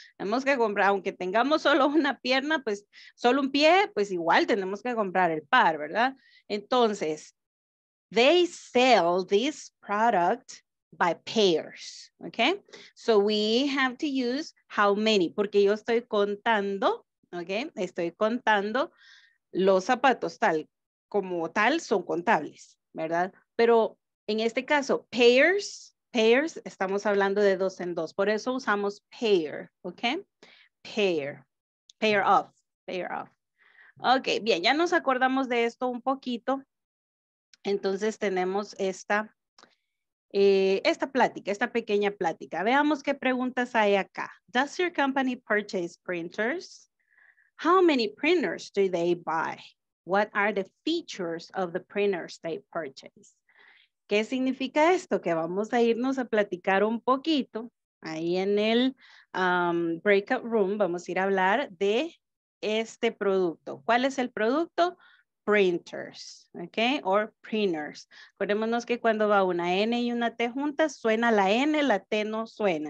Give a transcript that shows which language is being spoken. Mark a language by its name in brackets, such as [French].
[Spanish] Tenemos que comprar, aunque tengamos solo una pierna, pues solo un pie, pues igual tenemos que comprar el par, ¿verdad? [English] Entonces, they sell this product by pairs, okay? So we have to use how many, [Spanish] porque yo estoy contando, [English] okay? [Spanish] Estoy contando los zapatos tal como tal son contables, ¿verdad? Pero en este caso, pairs, estamos hablando de 2 en 2. Por eso usamos pair, okay? Pair of. Okay, bien, ya nos acordamos de esto un poquito. Entonces tenemos esta pequeña plática. Veamos qué preguntas hay acá. [English] Does your company purchase printers? How many printers do they buy? What are the features of the printers they purchase? [Spanish] ¿Qué significa esto? Que vamos a irnos a platicar un poquito ahí en el breakout room. Vamos a ir a hablar de este producto. ¿Cuál es el producto? Printers, okay, or printers. Acordémonos que cuando va una N y una T juntas, suena la N, la T no suena.